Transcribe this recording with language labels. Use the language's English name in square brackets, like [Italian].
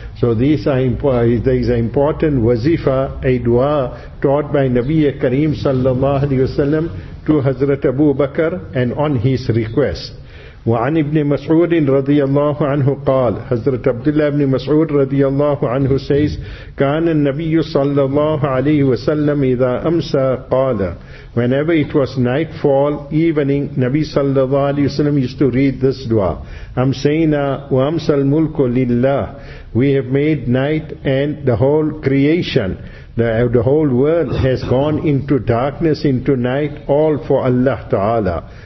[English] So these are important wazifa, a dua taught by Nabi Kareem sallallahu alayhi wasallam to Hazrat Abu Bakr and on his request. [Arabic] وعن ابن مسعود رضي الله عنه قال حضرت عبد الله بن مسعود رضي الله عنه says كان النبي صلى الله عليه وسلم إذا أمسى قال. [English] Whenever it was nightfall, evening, Nabi sallallahu alayhi wa sallam used to read this dua. [Arabic] Amsayna wa amsal mulku lillah. [English] We have made night and the whole creation, the whole world has gone into darkness, into night, all for Allah Ta'ala.